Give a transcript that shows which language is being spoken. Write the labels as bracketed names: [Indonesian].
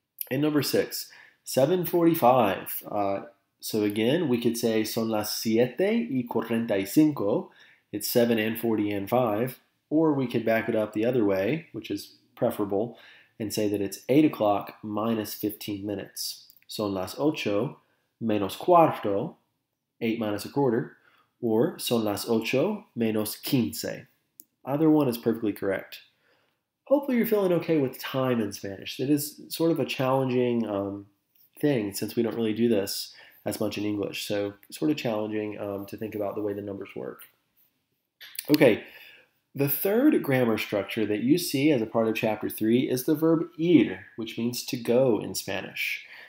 [English] And number six, 7:45. So again, we could say son las 7:45. It's 7:40 and 5. Or we could back it up the other way, which is preferable, and say that it's 8 o'clock minus 15 minutes. [Spanish] Son las 8 menos cuarto, 8 minus a quarter, or son las 8 menos 15. [English] Either one is perfectly correct. Hopefully you're feeling okay with time in Spanish. It is sort of a challenging thing since we don't really do this as much in English. So sort of challenging to think about the way the numbers work. Okay. The third grammar structure that you see as a part of chapter 3 is the verb ir, which means to go in Spanish.